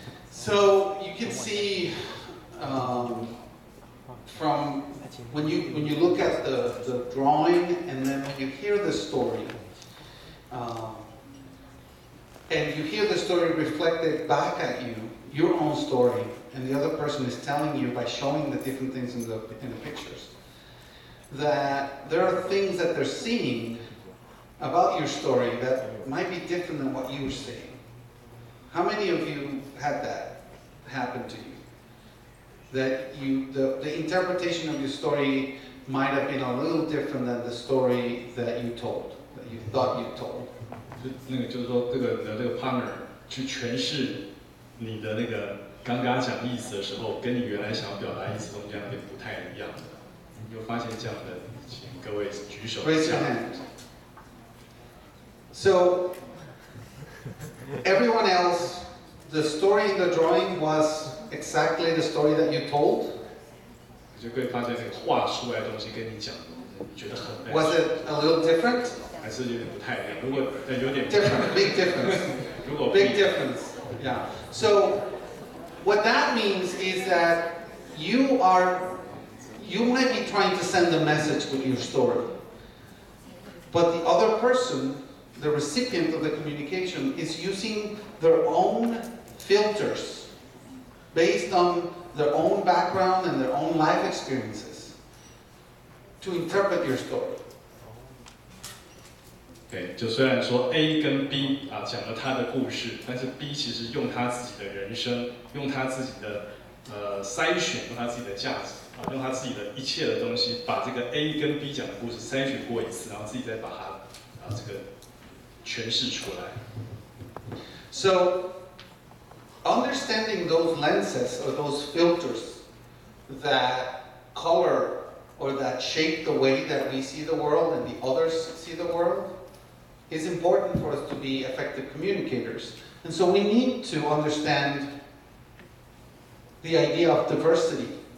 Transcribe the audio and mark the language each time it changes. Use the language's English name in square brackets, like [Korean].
[English] So you can see from when you look at the drawing and then when you hear the story, and you hear the story reflected back at you, your own story, and the other person is telling you by showing the different things in the pictures, that there are things that they're seeing about your story that might be different than what you were seeing. How many of you had that happen to you? That you, the interpretation of your story might have been a little different than the story that you told, that you thought you told. [Chinese] 就那个就是说，这个 partner 去诠释你的那个刚刚讲意思的时候，跟你原来想要表达意思中间有点不太一样的。你有发现这样的？请各位举手。 [English] Raise your hand. So everyone else, the story in the drawing was exactly the story that you told. [Chinese] 你就会发现那个画出来的东西跟你讲的，你觉得很。 [English] Was it a little different? [Chinese] 还是有点不太一样。如果有点 [English] different, big difference. [Chinese] 如果 [English] big difference, yeah. So what that means is that you might be trying to send a message with your story, but the other person, the recipient of the communication, is using their own filters based on their own background and their own life experiences to interpret your story. [Chinese] 对，就虽然说 A 跟 B 啊讲了他的故事，但是 B 其实用他自己的人生，用他自己的筛选，用他自己的价值啊，用他自己的一切的东西，把这个 A 跟 B 讲的故事筛选过一次，然后自己再把它啊这个诠释出来。 [English] So understanding those lenses or those filters that color or that shape the way that we see the world and the others see the world It's important for us to be effective communicators. And so we need to understand the idea of diversity.